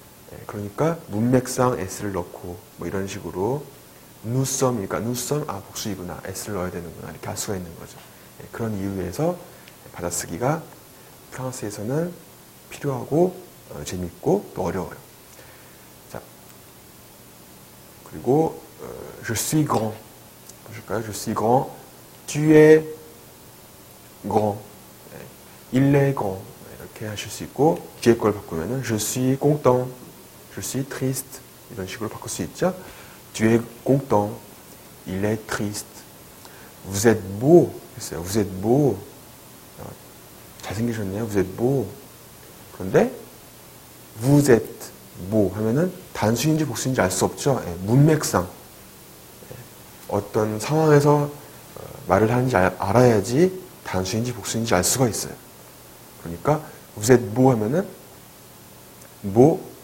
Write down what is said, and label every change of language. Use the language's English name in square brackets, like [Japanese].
[Korean] 네, 그러니까 문맥상 S를 넣고 뭐 이런 식으로 nous sommes이니까 nous sommes 아 복수이구나 S를 넣어야 되는구나 이렇게 할 수가 있는 거죠. 네, 그런 이유에서 받아쓰기가 프랑스에서는 필요하고 재밌고 또 어려워요. 자 그리고 [French] je suis grand [Korean] 보실까요? [French] je suis grand tu es grand il est grand [Korean] 이렇게 하실 수 있고 뒤에 걸 바꾸면은 [French] je suis content je suis triste [Korean] 이런 식으로 바꿀 수 있죠. [French] tu es content il est triste vous êtes beau [Korean] 했어요. [French] vous êtes beau [Korean] 잘생기셨네요. [French] vous êtes beau [Korean] 그런데 vous êtes beau 하면은 단수인지 복수인지 알 수 없죠. 예, 문맥상 예, 어떤 상황에서 말을 하는지 알아야지 단수인지 복수인지 알 수가 있어요. 그러니까 [French] vous êtes beau [Korean] 하면은 beau